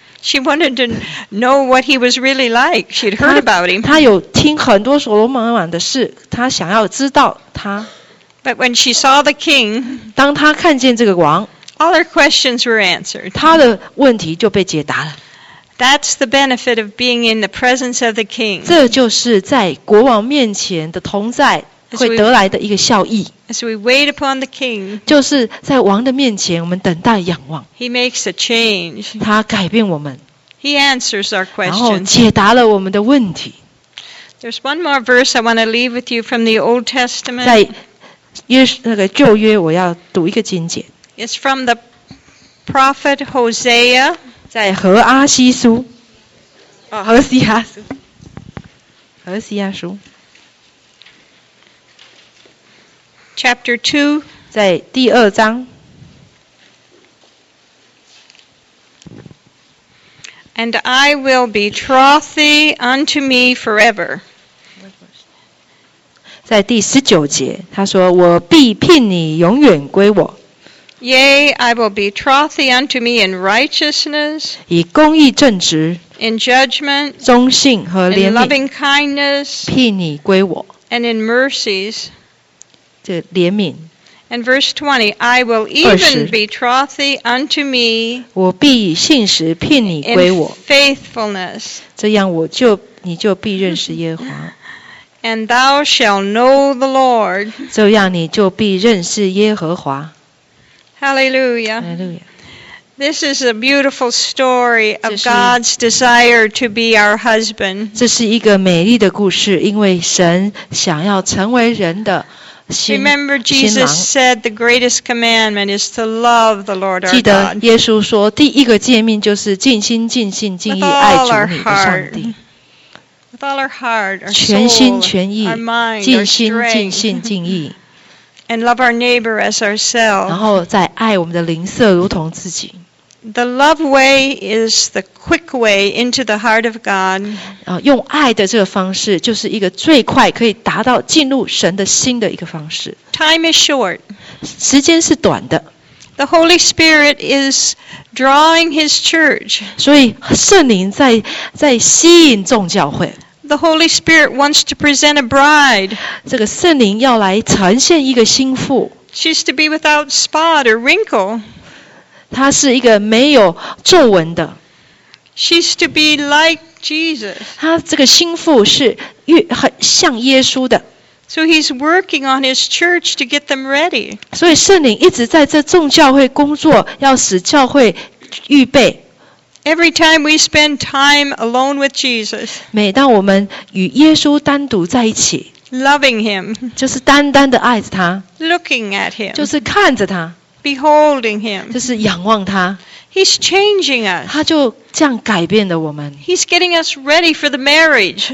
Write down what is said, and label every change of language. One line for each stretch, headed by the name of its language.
English: She wanted to know what he was really like. She'd heard about him.
Chinese: 她有听很多所罗门王的事，她想要知道他。
English: But when she saw the king,
Chinese: 当她看见这个王，
English: all her questions were answered.
Chinese: 她的问题就被解答了。
English: That's the benefit of being in the presence of the king.
Chinese: 这就是在国王面前的同在。会得来的一个效益。
English: As we wait upon the king,
Chinese: 就是在王的面前我们等待仰望。
English: He makes a change.
Chinese: 他改变我们。
English: He answers our questions.
Chinese: 然后解答了我们的问题。
English: There's one more verse I want to leave with you from the Old Testament.
Chinese: 在旧约我要读一个经节。
English: It's from the prophet Hosea.
Chinese: 在何阿西书。何西阿书。何西阿书。
English: Chapter 2,
Chinese: 在第二章
English: And I will betroth thee unto me forever.
Chinese: 在第十九节，他说：“我必聘你，永远归我。”
English: Yea, I will betroth thee unto me in righteousness.
Chinese: 以公义正直。
English: In judgment.
Chinese: 忠信和怜悯。
English: In loving kindness.
Chinese: 聘你归我。
English: And in mercies.
Chinese: 怜悯。
English: And verse 20, I will even betroth thee unto me.
Chinese: 我必以信实聘你归我。
English: Faithfulness.
Chinese: 这样我就你就必认识耶和华。
English: And thou shalt know the Lord.
Chinese: 这样你就必认识耶和华。
English: Hallelujah. Hallelujah. This is a beautiful story of God's desire to be our husband.
Chinese: 这是一个美丽的故事，因为神想要成为人的。
English: Remember, Jesus said the greatest commandment is to love the Lord our God.
Chinese: 记得耶稣说，第一个诫命就是尽心、尽性、尽意爱主你的上帝。
English: With all our heart, our soul,
Chinese: 全心全意
English: our mind,
Chinese: 尽心尽性尽意
English: and love our neighbor as ourselves.
Chinese: 然后再爱我们的邻舍如同自己。
English: The love way is the quick way into the heart of God.
Chinese: 用爱的这个方式就是一个最快可以达到进入神的心的一个方式。
English: Time is short.
Chinese: 时间是短的。
English: The Holy Spirit is drawing His church.
Chinese: 所以圣灵在吸引众教会。
English: The Holy Spirit wants to present a bride.
Chinese: 这个圣灵要来呈现一个心腹。
English: She's to be without spot or wrinkle.
Chinese: 她是一个没有皱纹的。
English: She's to be like Jesus.
Chinese: 她这个心腹是很像耶稣的。
English: So he's working on his church to get them ready.
Chinese: 所以圣灵一直在这众教会工作，要使教会预备。
English: Every time we spend time alone with Jesus,
Chinese: 每当我们与耶稣单独在一起
English: ，loving him，
Chinese: 就是单单的爱着他
English: ，looking at him，
Chinese: 就是看着他
English: ，beholding him，
Chinese: 就是仰望他。
English: He's changing us.
Chinese: 他就这样改变了我们。
English: He's getting us ready for the marriage.